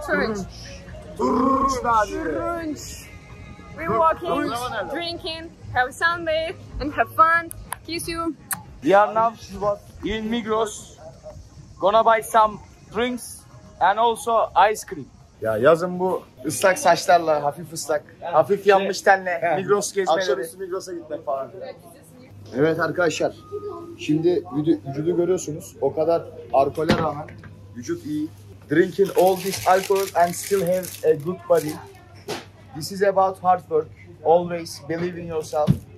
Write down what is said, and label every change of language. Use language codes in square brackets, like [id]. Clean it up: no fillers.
[tr] Turunç. Turunç. [en] We're walking, drinking, have sunbathe and have fun. Kiss you. We are now in Migros. Gonna buy some drinks and also ice cream. [tr] Ya yazın bu ıslak saçlarla, hafif ıslak, yani hafif yanmış tenle Migros gezmeleri. Akşamüstü Migros'a gitmek falan. Evet arkadaşlar, şimdi vücudu görüyorsunuz. O kadar alkole rağmen vücut iyi. [en] Drinking all this alcohol and still have a good body. This is about hard work. Always believe in yourself.